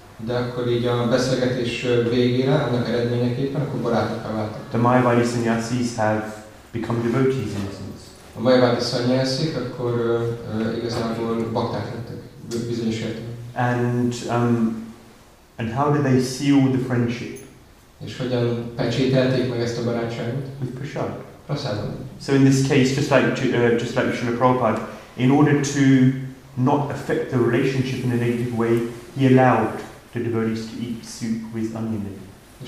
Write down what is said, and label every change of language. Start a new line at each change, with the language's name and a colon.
Hungarian: De akkor így a beszélgetés végére, annak eredményeképpen, akkor barátokká váltak.
English: The Mayavadi sannyasis have become devotees in a sense.
Hungarian: A Mayavadi sannyasik akkor igazából bakták lettek, bizonyos értelemben.
English: And how did they seal the friendship?
Hungarian: És hogyan pecsételték meg ezt a barátságot?
English: With prasad.
Hungarian: Prasadam.
English: So in this case, just like Srila Prabhupada, in order to not affect the relationship in a negative way, he allowed the devotees to eat soup with onion in it.